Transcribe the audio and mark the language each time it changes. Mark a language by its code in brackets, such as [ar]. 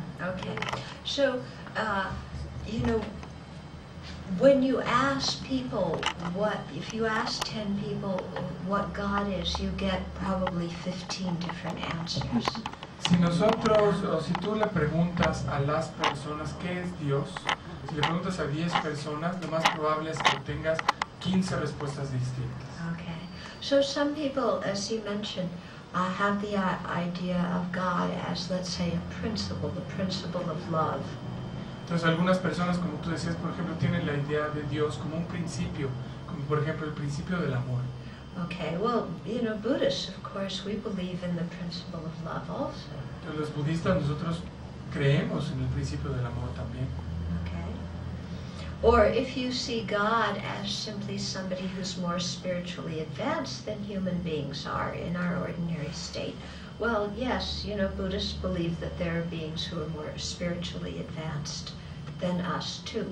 [en] Okay, so, you know, when you ask people what, if you ask 10 people what God is, you get probably 15 different answers. [es] Si nosotros, o si tú le preguntas a las personas qué es Dios, si le preguntas a 10 personas, lo más probable es que tengas 15 respuestas distintas. [en] Okay. So some people, as you mentioned, have the idea of God as, let's say, a principle, the principle of love. [es] Entonces algunas personas, como tú decías, por ejemplo, tienen la idea de Dios como un principio, como por ejemplo el principio del amor. [en] Okay, well, you know, Buddhists, of course, we believe in the principle of love also. [es] Entonces los budistas, nosotros creemos en el principio del amor también. [en] Okay. Or if you see God as simply somebody who's more spiritually advanced than human beings are in our ordinary state, well, yes, you know, Buddhists believe that there are beings who are more spiritually advanced than us too.